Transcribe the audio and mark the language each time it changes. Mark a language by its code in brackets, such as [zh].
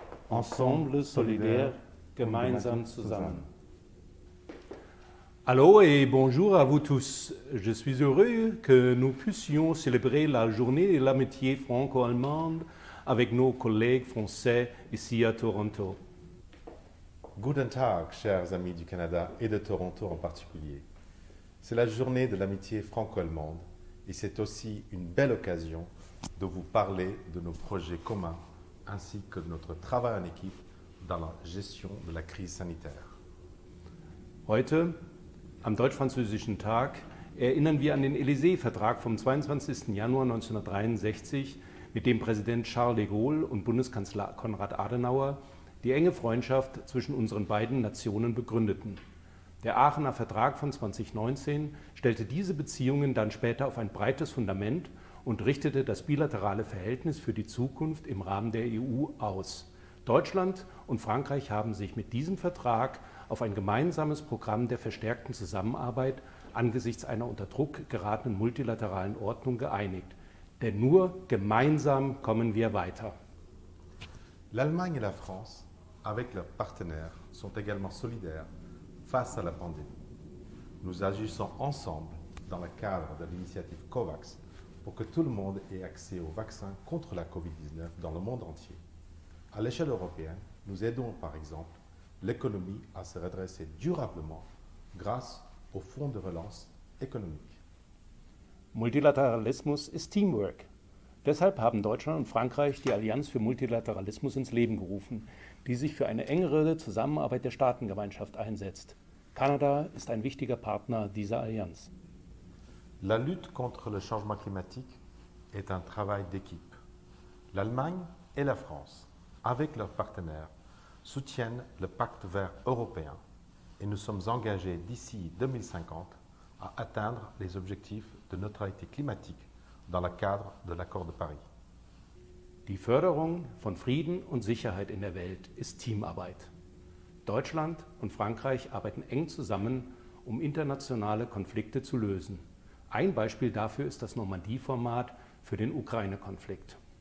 [fr] Ensemble, solidaire, [de] gemeinsam zusammen. [fr] Allô et bonjour à vous tous. Je suis heureux que nous puissions célébrer la journée de l'amitié franco-allemande avec nos collègues français ici à Toronto. [de] Guten Tag, [fr] chers amis du Canada et de Toronto en particulier. C'est la journée de l'amitié franco-allemande et c'est aussi une belle occasion de vous parler de nos projets communs ainsi que de notre travail en équipe dans la gestion de la crise sanitaire. [de] Heute, am deutsch-französischen Tag, erinnern wir an den Élysée-Vertrag vom 22. Januar 1963, mit dem Präsident Charles de Gaulle und Bundeskanzler Konrad Adenauer die enge Freundschaft zwischen unseren beiden Nationen begründeten. Der Aachener Vertrag von 2019 stellte diese Beziehungen dann später auf ein breites Fundament und richtete das bilaterale Verhältnis für die Zukunft im Rahmen der EU aus. Deutschland und Frankreich haben sich mit diesem Vertrag auf ein gemeinsames Programm der verstärkten Zusammenarbeit angesichts einer unter Druck geratenen multilateralen Ordnung geeinigt. Denn nur gemeinsam kommen wir weiter. [fr] L'Allemagne et la France, avec leurs partenaires, sont également solidaires face à la pandémie. Nous agissons ensemble dans le cadre de l'initiative COVAX pour que tout le monde ait accès au vaccin contre la COVID-19 dans le monde entier. À l'échelle européenne, nous aidons par exemple l'économie à se redresser durablement grâce au fonds de relance économique. [de] Multilateralismus ist Teamwork. Deshalb haben Deutschland und Frankreich die Allianz für Multilateralismus ins Leben gerufen, die sich für eine engere Zusammenarbeit der Staatengemeinschaft einsetzt. Kanada ist ein wichtiger Partner dieser Allianz. [fr] La lutte contre le changement climatique est un travail d'équipe. L'Allemagne et la France, avec leurs partenaires, soutiennent le pacte vert européen et nous sommes engagés d'ici 2050 à atteindre les objectifs de neutralité climatique dans le cadre de l'accord de Paris. [de] Die Förderung von Frieden und Sicherheit in der Welt ist Teamarbeit. Deutschland und Frankreich arbeiten eng zusammen, um internationale Konflikte zu lösen. Ein Beispiel dafür ist das Normandie-Format für den Ukraine-Konflikt.